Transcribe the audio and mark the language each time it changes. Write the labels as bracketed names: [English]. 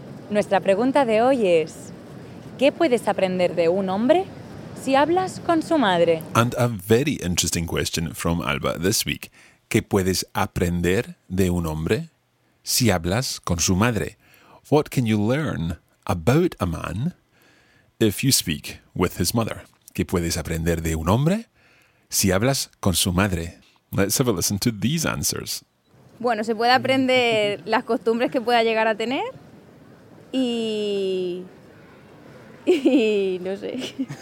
[Spanish] Nuestra pregunta de hoy es, ¿qué puedes aprender de un hombre si hablas con su madre? [English] And a very interesting question from Alba this week. [Spanish] ¿Qué puedes aprender de un hombre si hablas con su madre? [English] What can you learn about a man if you speak with his mother? [Spanish] ¿Qué puedes aprender de un hombre si hablas con su madre? [English] Let's have a listen to these answers. [Spanish] Bueno, se puede aprender las costumbres que pueda llegar a tener y no sé.